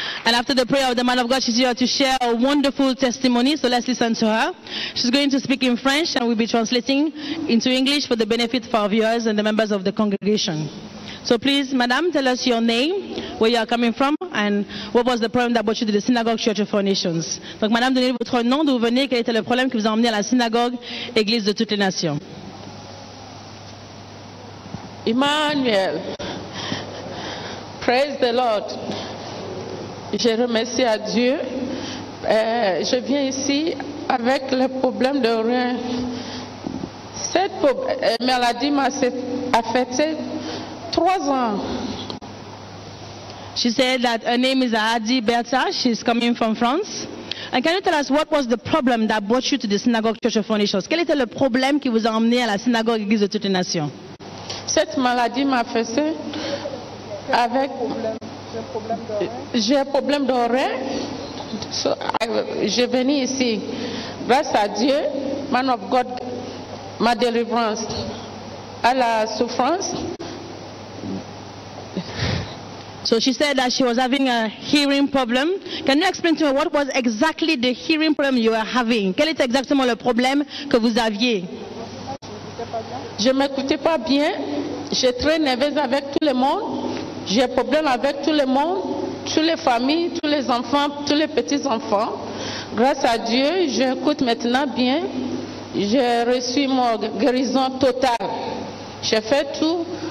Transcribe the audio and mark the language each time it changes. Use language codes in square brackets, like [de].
[en] And after the prayer of the man of God, she's here to share a wonderful testimony. So let's listen to her. She's going to speak in French and we'll be translating into English for the benefit of our viewers and the members of the congregation. So please, madam, tell us your name, where you are coming from, and what was the problem that brought you to the synagogue Church of Four Nations. [fr] Donc, madame, donnez votre nom, d'où vous venez, quel était le problème qui vous a emmené à la synagogue Église de toutes les nations. Emmanuel, praise the Lord. Je remercie à Dieu. Je viens ici avec le problème de rien. Cette maladie m'a affecté 3 ans. [en] She said that her name is Adi Bertha. She's coming from France. And can you tell us what was the problem that brought you to the Synagogue Church of Four Nations? [fr] Quel était le problème qui vous a emmené à la synagogue Église de toutes les nations? Cette maladie m'a affecté avec. J'ai un problème d'oreille. So, je venais ici. Grâce à Dieu, [en] man of God, [fr] ma délivrance à la souffrance. [en] So she said that she was having a hearing problem. Can you explain to me what was exactly the hearing problem you were having? [fr] Quel était exactement le problème que vous aviez? Je ne m'écoutais pas bien. J'étais très nerveuse avec tout le monde. J'ai un problème avec tout le monde, toutes les familles, tous les enfants, tous les petits-enfants. Grâce à Dieu, j'écoute maintenant bien. J'ai reçu mon guérison totale. J'ai fait tout.